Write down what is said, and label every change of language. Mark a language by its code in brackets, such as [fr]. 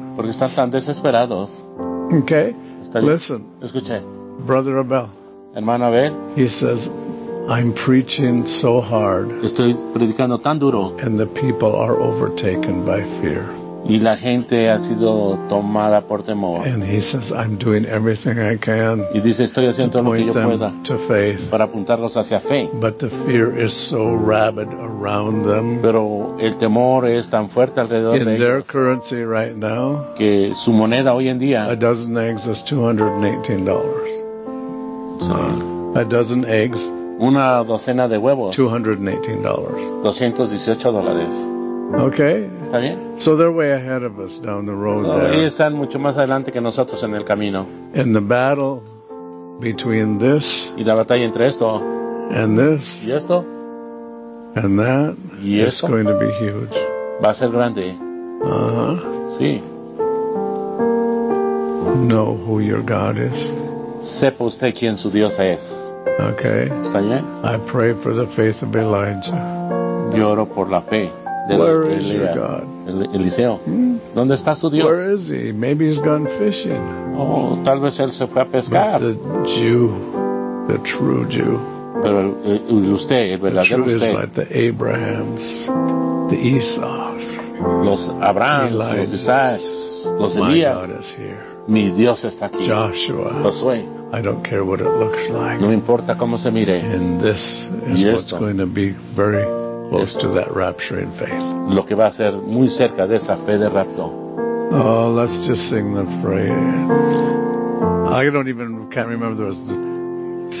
[es] Porque están tan desesperados. [en] Okay. [es] Está bien. [en] Listen. [es] Escuche. [en] Brother Abel. [es] Hermano Abel. [en] He says, I'm preaching so hard. [es] Estoy predicando tan duro. [en] And the people are overtaken by fear. [es] Y la gente ha sido tomada por temor. [en] And he says, I'm doing everything I can. [es] Y dice, estoy haciendo todo lo que yo pueda [en] to faith. [es] Para apuntarlos hacia fe. [en] But the fear is so rabid around them. [es] Pero el temor es tan fuerte alrededor [en] in [es] de ellos. [en] In their currency right now. [es] Que su moneda hoy en día. [en] A dozen eggs is $218. [es] Sí. [en] A dozen eggs. [es] Una docena de huevos. $218. $218. [en] Okay. [es] ¿Está bien? [en] So they're way ahead of us down the road so, there. [es] Ellos están mucho más adelante que nosotros en el camino. [en] And the battle between this [es] y la batalla entre esto [en] and this [es] y esto [en] and that [es] y esto [en] is going to be huge. [es] Va a ser grande. Uh-huh. Sí. [en] Know who your God is. [es] Sepa usted quién su Dios es. [en] Okay. [es] ¿Está bien? [en] I pray for the faith of Elijah. [es] Lloro por la fe. [en] Where is your God? [es] Eliseo. ¿Dónde está su Dios? [en] Where is he? Maybe he's gone fishing. [es] Oh, tal vez él se fue a pescar. [en] But the Jew, the true Jew. [es] Pero usted, el verdadero usted. [en] Is like the Abrahams, the Esaus, [es] los Abrahams, los Isaacs, los Elías. [en] My God is here. [es] Mi Dios está aquí. [en] Joshua. [es] Josué. [en] I don't care what it looks like. [es] No me importa cómo se mire. [en] And this is what's going to be very close to that rapture in faith. [es] Lo que va a ser muy cerca de esa fe de rapto. [en] Oh, let's just sing the phrase. I don't even can't remember the rest.